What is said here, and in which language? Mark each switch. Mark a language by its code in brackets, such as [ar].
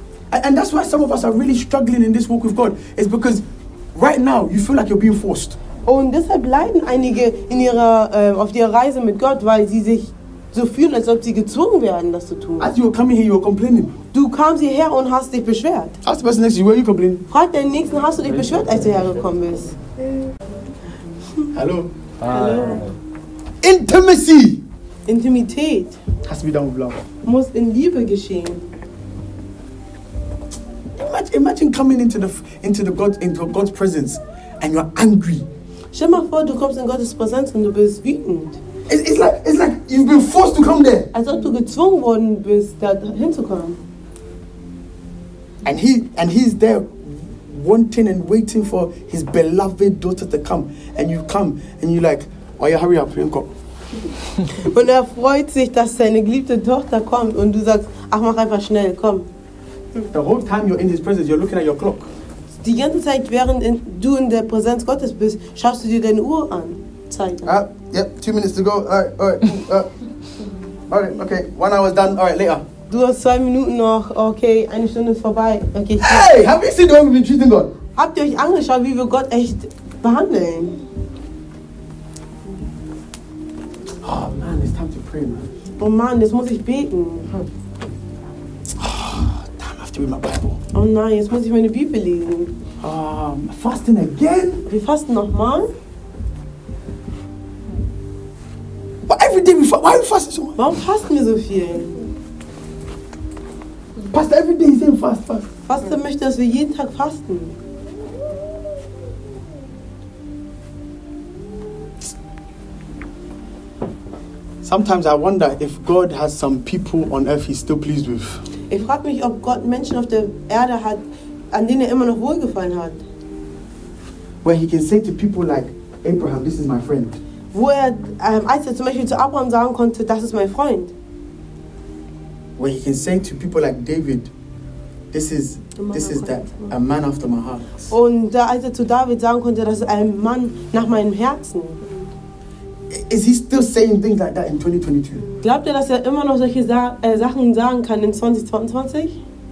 [en] And that's why some of us are really struggling in this walk with God. It's because right now you feel like you're being forced. [de] Und deshalb leiden einige in ihrer auf ihrer Reise mit Gott, weil sie sich so fühlen, als ob sie gezwungen werden, das zu tun. [en] As you were coming here, you were complaining. [de] Du kamst hierher und hast dich beschwert. [en] Ask the person next to you, were you complaining? [de] Frag den nächsten, hast du dich beschwert, als du hergekommen bist? Hallo. Hallo. [en] Intimacy. [de] Intimität. Hast du wieder mit Blau? Muss in Liebe geschehen. [en] Imagine coming into God's presence and you're angry. [de] Stell mal vor, du kommst in Gottes Präsenz und du bist wütend. [en] It's like you've been forced to come there. [de] Als ob du gezwungen worden bist, da hinzukommen. [en] And he's there wanting and waiting for his beloved daughter to come. And you come and you're like, oh yeah, hurry up, you go. [de] Und er freut sich, dass seine geliebte Tochter kommt und du sagst, ach mach einfach schnell, komm. [en] The whole time you're in his presence, you're looking at your clock. [de] Die ganze Zeit, während du in der Präsenz Gottes bist, schaust du dir deine Uhr an. Zeit. [en] Yep, 2 minutes to go. All right, okay, 1 hour's done. All right, later. [de] Du hast 2 Minuten noch. Okay, 1 Stunde ist vorbei. Okay. [en] Hey, have you seen how we've been treating God? [de] Habt ihr euch angeschaut, wie wir Gott echt behandeln? [en] Oh man, it's time to pray, man. [de] Oh man, jetzt muss ich beten. [en] Give me my Bible. [de] Oh nein, jetzt muss ich meine Bibel lesen. [en] Fasten again? [de] Wir fasten nochmal. [en] But every day we fast. Why are we fasting so much? [de] Warum fasten wir so viel? [en] Pastor, every day he's saying fast. [de] Pastor möchte, dass wir jeden Tag fasten. [en] Sometimes I wonder if God has some people on earth he's still pleased with. [de] Ich frage mich, ob Gott Menschen auf der Erde hat, an denen immer noch wohlgefallen hat. [en] Where he can say to people like Abraham, this is my friend. [de] Wo er, als er zum Beispiel zu Abraham sagen konnte, das ist mein Freund. [en] Where he can say to people like David, this is a man after my heart. [de] Und da als er zu David sagen konnte, das ist ein Mann nach meinem Herzen. [en] Is he still saying things like that in 2022? [de] Glaubt ihr, dass er immer noch solche Sachen sagen kann in 2022?